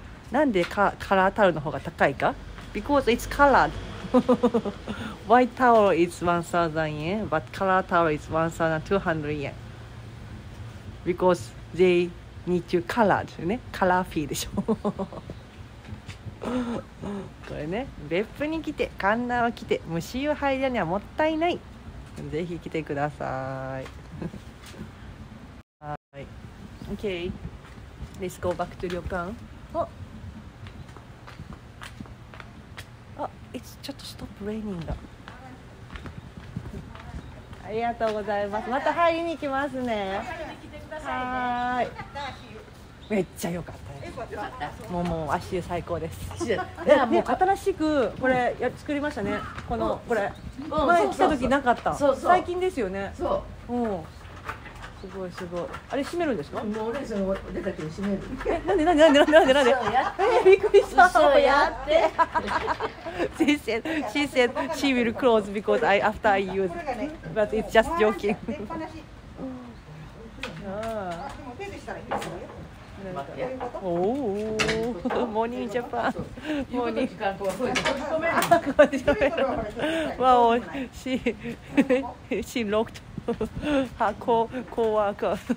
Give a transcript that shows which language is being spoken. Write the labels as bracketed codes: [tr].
[ja] なんでカラータオルの方が高いか。 [en] Because it's colored. White towel is 1000 yen, but color towel is 1200 yen. Because they need to colored, ね、カラーフィーでしょ。 [ja] これね、別府に来て、神奈川来て、虫湯入りにはもったいない。ぜひ来てください。はい、 [en] OK、 Let's go back to [ja] 旅館。 [en] It's just stop raining. [ja] ありがとうございます。また入りに来ますね。入りに来てくださいね。はい、めっちゃ良かった。もうもう足湯最高です。足湯もう新しくこれ作りましたね、このこれ前来た時なかった。そうそう、最近ですよね。そう、うん、すごいすごい。あれ閉めるんですか。もう俺その出たけど閉める。なんでなんでなんでなんでなんでなんで、びっくりした。嘘やって。 [en] She said, she said she will close because I after I use but it's just joking. [ja] でも手でしたらいいですね。おお、モーニングジャパン、モーニング閉じ込める。わお、 [en] she locked her co-worker。